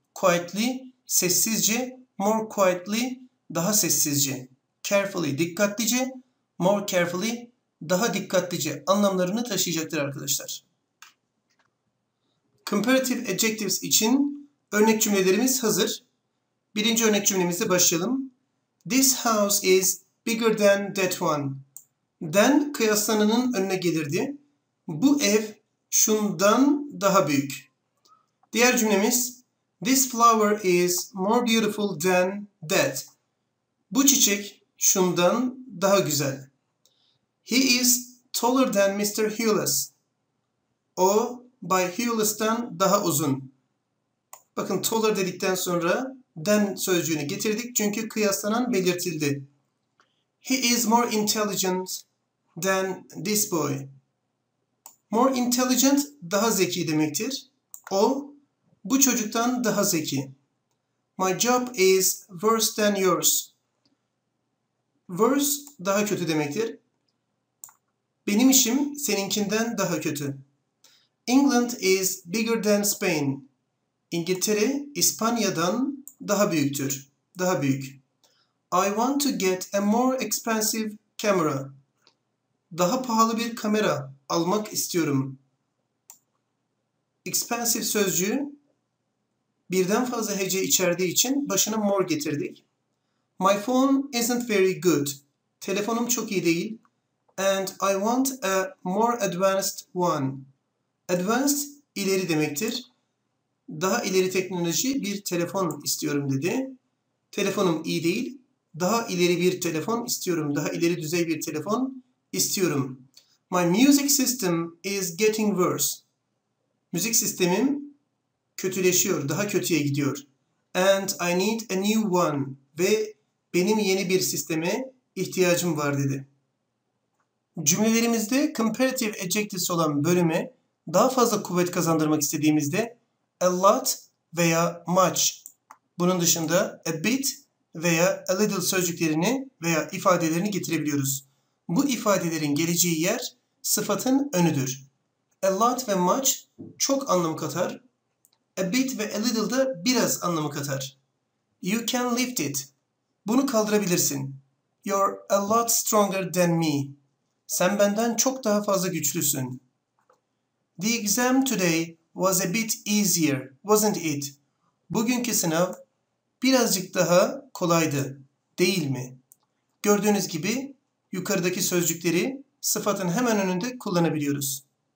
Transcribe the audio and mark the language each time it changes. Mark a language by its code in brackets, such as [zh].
[en] Quietly [tr] sessizce. [en] More quietly, [tr] daha sessizce. [en] Carefully, [tr] dikkatlice. [en] More carefully, [tr] daha dikkatlice anlamlarını taşıyacaktır arkadaşlar. Comparative adjectives için örnek cümlelerimiz hazır. Birinci örnek cümlemizle başlayalım. [en] This house is bigger than that one. [tr] Then kıyaslananın önüne gelirdi. Bu ev şundan daha büyük. Diğer cümlemiz. [en] This flower is more beautiful than that. [tr] Bu çiçek şundan daha güzel. [en] He is taller than Mr. Hewless. [tr] O, by Hewless'tan daha uzun. Bakın taller dedikten sonra than sözcüğünü getirdik çünkü kıyaslanan belirtildi. [en] He is more intelligent than this boy. More intelligent [tr] daha zeki demektir. O, bu çocuktan daha zeki. [en] My job is worse than yours. [tr] Worse daha kötü demektir. Benim işim seninkinden daha kötü. [en] England is bigger than Spain. [tr] İngiltere İspanya'dan daha büyüktür. Daha büyük. [en] I want to get a more expensive camera. [tr] Daha pahalı bir kamera almak istiyorum. Expensive sözcüğü birden fazla hece içerdiği için başına more getirdik. [en] My phone isn't very good. [tr] Telefonum çok iyi değil. [en] And I want a more advanced one. [tr] Advanced, ileri demektir. Daha ileri teknoloji bir telefon istiyorum dedi. Telefonum iyi değil. Daha ileri bir telefon istiyorum. Daha ileri düzey bir telefon istiyorum. [en] My music system is getting worse. [tr] Müzik sistemim kötüleşiyor, daha kötüye gidiyor. [en] And I need a new one. [tr] Ve benim yeni bir sisteme ihtiyacım var dedi. Cümlelerimizde comparative adjectives olan bölüme daha fazla kuvvet kazandırmak istediğimizde a lot veya much. Bunun dışında a bit veya a little sözcüklerini veya ifadelerini getirebiliyoruz. Bu ifadelerin geleceği yer sıfatın önüdür. A lot ve much çok anlam katar. A bit ve a little da biraz anlamı katar. [en] You can lift it. [tr] Bunu kaldırabilirsin. [en] You're a lot stronger than me. [tr] Sen benden çok daha fazla güçlüsün. [en] The exam today was a bit easier, wasn't it? [tr] Bugünkü sınav Birazcık daha kolaydı, değil mi? Gördüğünüz gibi yukarıdaki sözcükleri sıfatın hemen önünde kullanabiliyoruz.